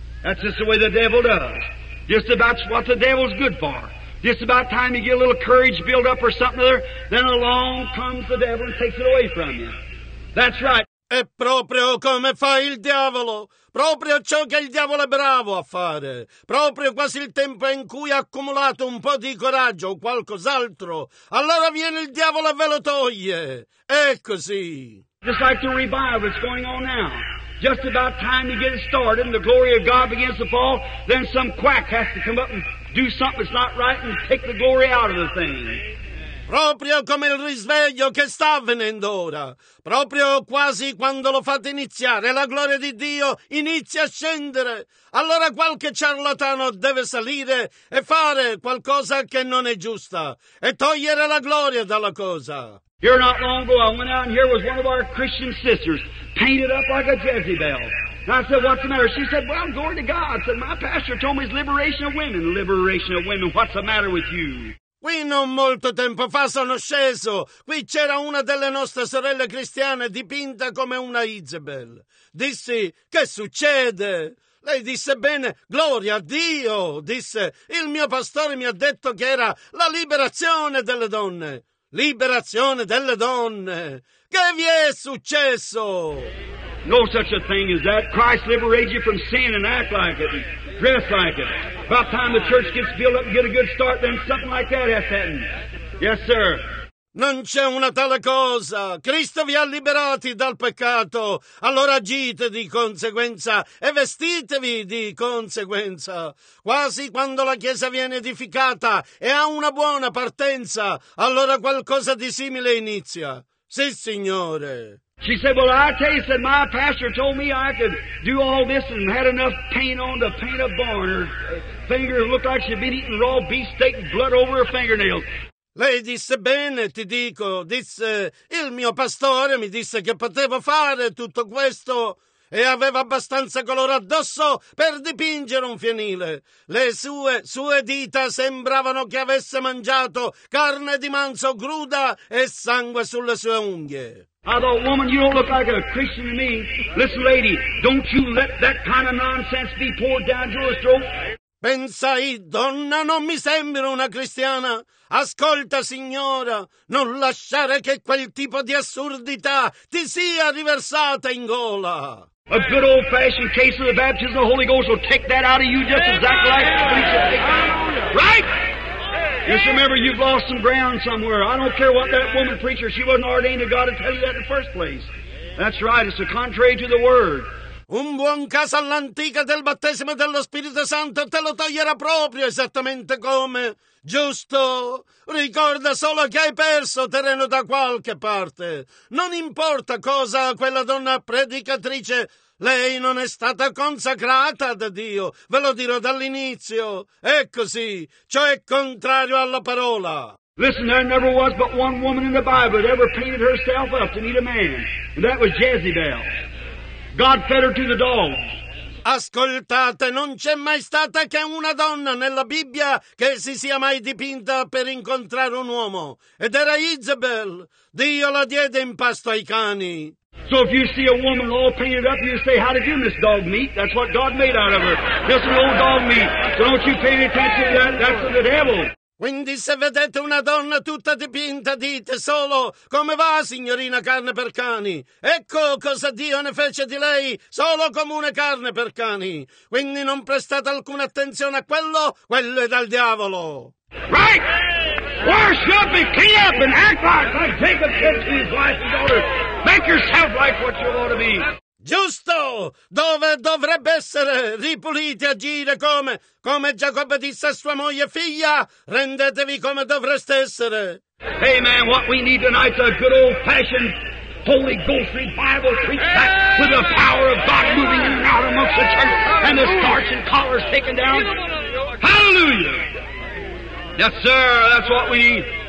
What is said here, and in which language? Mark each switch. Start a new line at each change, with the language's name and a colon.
English: That's just the way the devil does. Just about what the devil's good for. Just about time you get a little courage built up or something other, then along comes the devil and takes it away from you. That's right.
Italian: È proprio come fa il diavolo. Proprio ciò che il diavolo è bravo a fare. Proprio quasi il tempo in cui ha accumulato un po' di coraggio o qualcos'altro. Allora viene il diavolo e ve lo toglie. È così.
English: Just like the revival that's going on now. Just about time to get it started and the glory of God begins to fall, then some quack has to come up and do something that's not right and take the glory out of the thing.
Italian: Proprio come il risveglio che sta avvenendo ora. Proprio quasi quando lo fate iniziare, la gloria di Dio inizia a scendere. Allora qualche ciarlatano deve salire e fare qualcosa che non è giusta e togliere la gloria dalla cosa.
English: Here not long ago, I went out and here was one of our Christian sisters painted up like a Jezebel. And I said, what's the matter? She said, well, I'm going to God. I said, my pastor told me it's liberation of women. Liberation of women, what's the matter with you?
Italian: Qui non molto tempo fa sono sceso. Qui c'era una delle nostre sorelle cristiane dipinta come una Jezebel. Dissi, che succede? Lei disse, bene, gloria a Dio. Disse, il mio pastore mi ha detto che era la liberazione delle donne. liberazione delle donne. Che vi è successo?
English: No such a thing as that. Christ liberated you from sin and act like it and dress like it. About time the church gets built up and get a good start, then something like that has happened. Yes, sir.
Italian: Non c'è una tale cosa. Cristo vi ha liberati dal peccato. Allora agite di conseguenza e vestitevi di conseguenza. Quasi quando la Chiesa viene edificata e ha una buona partenza, allora qualcosa di simile inizia. Sì, Signore.
English: She said, well, I tell you, said, my pastor told me I could do all this and had enough paint on to paint a barn. Her finger looked like she'd been eating raw beefsteak and blood over her fingernails.
Italian: Lei disse, bene, ti dico, disse, il mio pastore mi disse che potevo fare tutto questo e aveva abbastanza colore addosso per dipingere un fienile. Le sue dita sembravano che avesse mangiato carne di manzo cruda e sangue sulle sue unghie.
English: I thought, woman, you don't look like a Christian to me. Listen, lady, don't you let that kind of nonsense be poured down your throat.
Italian: Pensai, donna, non mi sembra una cristiana. Ascolta, signora, non lasciare che quel tipo di assurdità ti sia riversata in gola.
English: A good old-fashioned case of the baptism of the Holy Ghost will take that out of you just exactly like a preacher. Right? Just remember, you've lost some ground somewhere. I don't care what that woman preacher, she wasn't ordained of God to tell you that in the first place. That's right, it's a contrary to the word.
Italian: Un buon caso all'antica del battesimo dello Spirito Santo te lo toglierà proprio esattamente come. Giusto? Ricorda solo che hai perso terreno da qualche parte. Non importa cosa quella donna predicatrice, lei non è stata consacrata da Dio. Ve lo dirò dall'inizio. È così. Ciò è contrario alla parola.
English: Listen, there never was but one woman in the Bible that ever painted herself up to meet a man. And that was Jezebel. God fed her to the dogs.
Italian: Ascoltate, non c'è mai stata che una donna nella Bibbia che si sia mai dipinta per incontrare un uomo. Ed era Isabel. Dio la diede in pasto ai cani.
English: So if you see a woman all painted up, you say, how did you miss dog meat? That's what God made out of her. Just an old dog meat. So don't you pay any attention to that. That's the devil.
Italian: Quindi se vedete una donna tutta dipinta, dite solo, come va, signorina carne per cani? Ecco cosa Dio ne fece di lei, solo comune carne per cani. Quindi non prestate alcuna attenzione a quello, quello è dal diavolo.
English: Right! Worship and clean up and act like Jacob said to his wife and daughter, make yourself like what you ought to be.
Italian: Giusto! Dove dovrebbe essere ripuliti, agire come? Come Giacobbe disse a sua moglie e figlia, rendetevi come dovreste essere.
English: Hey man, what we need tonight is a good old fashioned Holy Ghost revival preached back with the power of God moving in and out amongst the church and the starch and collars taken down. Hallelujah! Yes, sir, that's what we need.